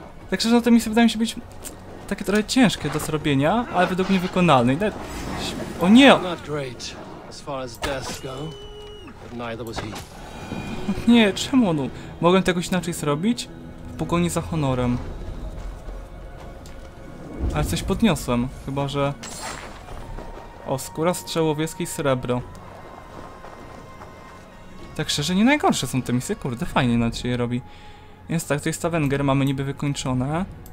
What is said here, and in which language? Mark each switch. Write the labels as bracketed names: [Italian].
[Polish] Tak szczerze, to mi się wydaje się być takie trochę ciężkie do zrobienia, ale według mnie wykonalne. O nie. [English] Not great as far as deaths go, but neither was he. [Polish] Nie, czemu on? Mogłem tego inaczej zrobić? W pogoni za honorem. Ale coś podniosłem, chyba że... O, skóra strzałowieckiej srebro. Tak szczerze, nie najgorsze są te misje, kurde, fajnie na ciebie robi. Więc tak, to jest Stavanger, mamy niby wykończone.